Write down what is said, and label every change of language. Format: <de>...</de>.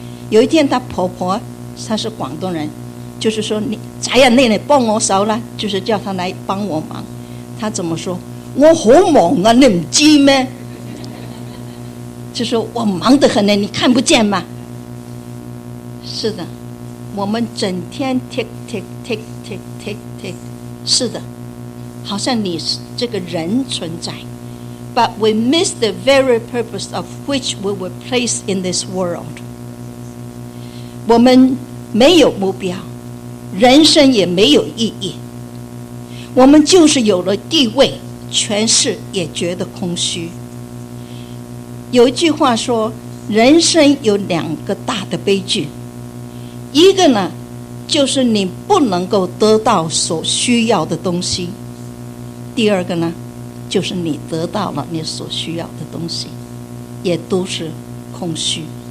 <zh>有一天他婆婆，他是广东人，就是说你咋样，奶奶帮我扫了，就是叫他来帮我忙。他怎么说？我好忙啊，你不知吗？就是我忙得很呢，你看不见吗？是的，我们整天</zh> <en>tick tick tick tick tick tick，</en> <zh>是的，好像你这个人存在，</zh> <en>but we miss the very purpose of which we were placed in this world。</en> <zh>我们没有目标，人生也没有意义，我们就是有了地位权势也觉得空虚。有一句话说，人生有两个大的悲剧，一个呢就是你不能够得到所需要的东西，第二个呢就是你得到了你所需要的东西也都是空虚。</zh>